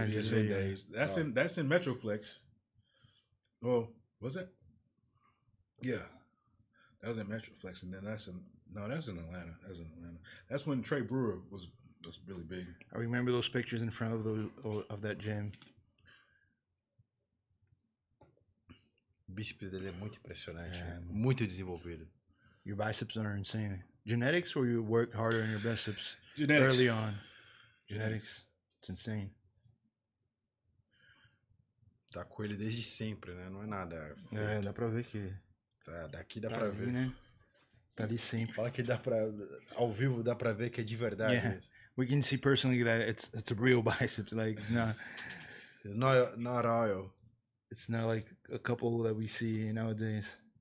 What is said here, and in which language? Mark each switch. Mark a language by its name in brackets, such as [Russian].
[English] That's in Metroflex. Oh, was it? Yeah. That was in Metroflex. And then that's in Atlanta. That was in Atlanta. That's when Trey Brewer was really big. I remember those pictures in front of that gym. [Portuguese] O bíceps dele é muito impressionante, muito desenvolvido. [English] Your biceps are insane. Genetics or you work harder on your biceps early on? Genetics. It's insane. [Portuguese] Tá com ele desde sempre, né? Não é nada. É, dá pra ver que... Daqui dá pra ver. Né? Tá ali sempre. Fala que dá pra... Ao vivo dá pra ver que é de verdade. [English] Yeah. We can see personally that it's a real biceps. Like, it's not... Not oil. It's not like a couple that we see nowadays.